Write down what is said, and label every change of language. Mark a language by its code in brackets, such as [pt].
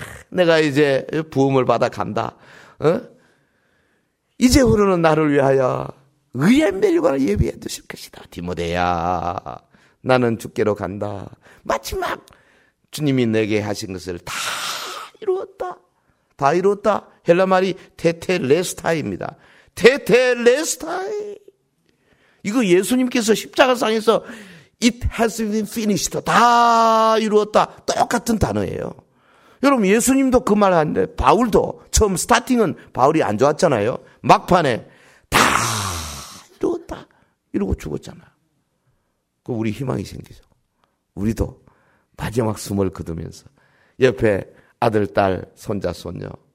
[ko] 내가 이제 부흥을 받아 간다. 어? 이제 흐르는 나를 위하여 의의 면류관을 예비해 두실 것이다. 디모데야 나는 주께로 간다. 마지막 주님이 내게 하신 것을 다 이루었다. 다 이루었다. 헬라 말이 테텔레스타입니다. 테텔레스타이. 이거 예수님께서 십자가상에서 [en] It has been finished. [ko] 다 이루었다. 똑같은 단어예요. 여러분 예수님도 그 말을 하는데 바울도 처음 스타팅은 바울이 안 좋았잖아요. 막판에 다 이루었다. 이러고 죽었잖아요. 그 우리 희망이 생기죠. 우리도 마지막 숨을 거두면서 옆에 아들, 딸, 손자, 손녀.